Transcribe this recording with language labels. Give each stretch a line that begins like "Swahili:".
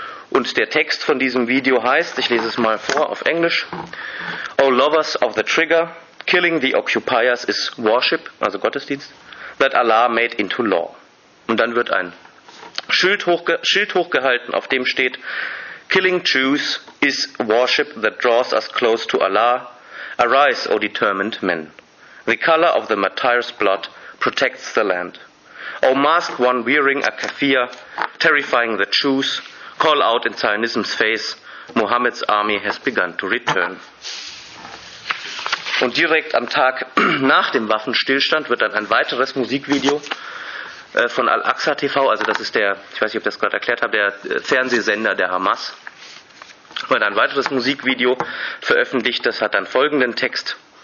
German: Und der Text von diesem Video heißt, ich lese es mal vor auf Englisch,
English: O lovers of the trigger, killing the occupiers is worship,
German: also Gottesdienst,
English: that Allah made into law.
German: Und dann wird ein Schild hochgehalten, auf dem steht,
English: killing Jews is worship that draws us close to Allah. Arise, O determined men. The color of the martyr's blood protects the land. O masked one wearing a kafir, terrifying the Jews, call out in Zionism's face, Muhammad's army has begun to return.
German: Und direkt am Tag nach dem Waffenstillstand wird dann ein weiteres Musikvideo von Al-Aqsa TV, also das ist der, ich weiß nicht, ob ich das gerade erklärt habe, der Fernsehsender der Hamas, wird ein weiteres Musikvideo veröffentlicht, das hat dann folgenden Text.